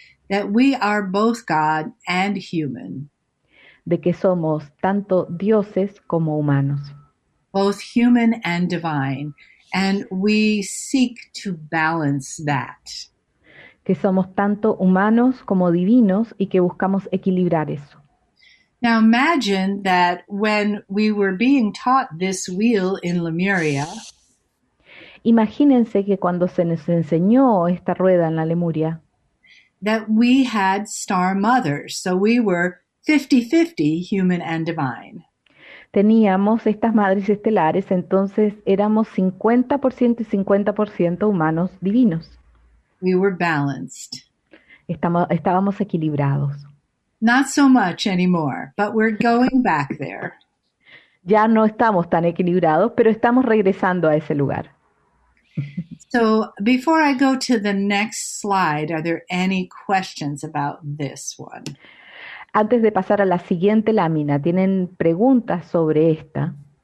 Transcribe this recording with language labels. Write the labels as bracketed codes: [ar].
[en] That we are both God and human. [es] De que somos tanto dioses como humanos. [en] Both human and divine. And we seek to balance that. [es] Que somos tanto humanos como divinos y que buscamos equilibrar eso. [en] Now imagine that when we were being taught this wheel in Lemuria. [es] Imagínense que cuando se nos enseñó esta rueda en la Lemuria. [en] That we had star mothers, so we were 50-50 human and divine. [es] Teníamos estas madres estelares, entonces éramos 50% y 50% humanos divinos. [en] We were balanced. [es] Estábamos equilibrados. [en] Not so much anymore, but we're going back there. [es] Ya no estamos tan equilibrados, pero estamos regresando a ese lugar. [en] So, before I go to the next slide, are there any questions about this one? [es] Antes de pasar a la siguiente lámina, ¿tienen preguntas sobre esta?